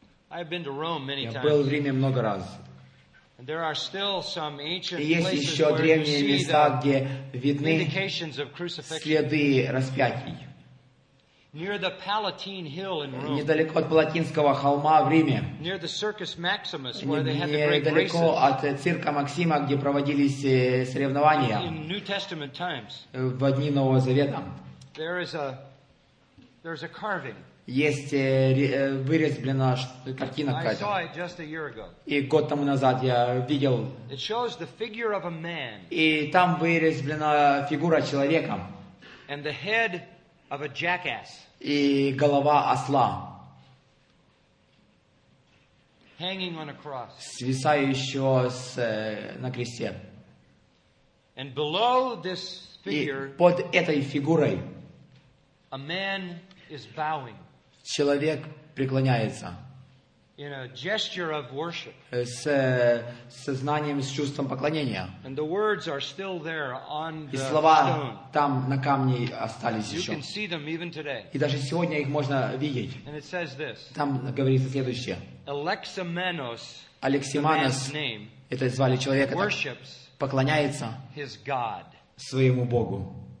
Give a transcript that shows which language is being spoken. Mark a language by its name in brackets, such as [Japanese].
[English] I've been to Rome many times. [Russian] Я был в Риме много раз. [English] And there are still some ancient places where you see the [Russian] древние места, где видны следы распятий. [English] Near the Palatine Hill in Rome. [Russian] Недалеко от Палатинского холма в Риме. [English] Near the Circus Maximus, where they had the great races. [Russian] Недалеко от цирка Максима, где проводились соревнования. [English] In New Testament times. [Russian] В дни Нового Завета. [English] There is a carving. [Russian] есть вырезана картина какая-то. И год тому назад я видел. [English] It shows the figure of a man. [Russian] И там вырезана фигура человека. [English] And the head of a jackass. [Russian] И голова осла. [English] Hanging on a cross. [Russian] Свисающего с, на кресте. [English] And below this figure. [Russian] И под этой фигурой. [English] A man is bowing. [Russian] Человек преклоняется. [English] In a gesture of worship. [Russian] С сознанием, с чувством поклонения. [English] And the words are still there on the stone. [Russian] И слова там на камне остались еще. [English] You can see them even today. [Russian] И даже сегодня их можно видеть. [English] And it says this. [Russian] Там говорится следующее. [English] Alexamenos. [Russian] Alexamenos. Это звали человека. [English] Worships. [Russian] Поклоняется. [English] His God. [Russian] Своему Богу.